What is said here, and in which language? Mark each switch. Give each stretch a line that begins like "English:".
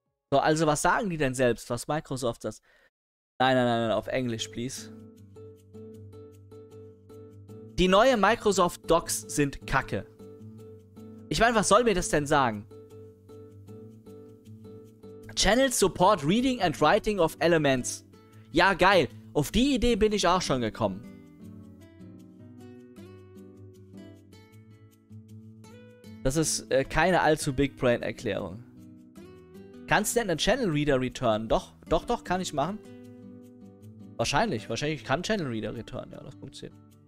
German: So, also was sagen die denn selbst, was Microsoft das... Nein, auf Englisch, please. Die neue Microsoft Docs sind kacke. Ich meine, was soll mir das denn sagen?
English: Channels support reading and writing of elements.
German: Ja, geil. Auf die Idee bin ich auch schon gekommen. Das ist keine allzu Big Brain Erklärung. Kannst du denn einen Channel Reader returnen? Doch, kann ich machen. Wahrscheinlich kann Channel Reader returnen. Ja, das funktioniert.